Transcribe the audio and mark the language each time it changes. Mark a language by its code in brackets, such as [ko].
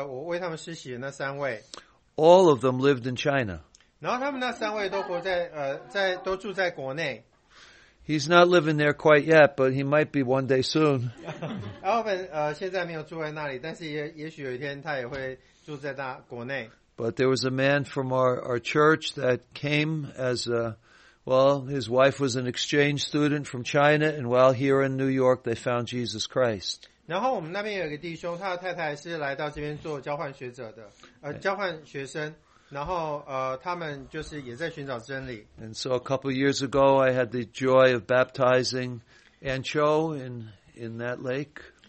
[zh] 然后又想说在这个营地啊，在之前，我为他们施洗的那三位， [en] all of them lived in China. [zh] 然后他们那三位都住在国内。 [en] He's not living there quite yet, but he might be one day soon. [zh] Alvin现在没有住在那里，但是也许有一天他也会住在国内。 [en] But there was a man from our church that came as a, well, his wife was an exchange student from China, and while here in New York, they found Jesus Christ. [zh] 然后我们那边有一个弟兄，他的太太是来到这边做交换学生，然后他们就是也在寻找真理。 [en] And so a couple of years ago, I had the joy of baptizing Ancho in that lake.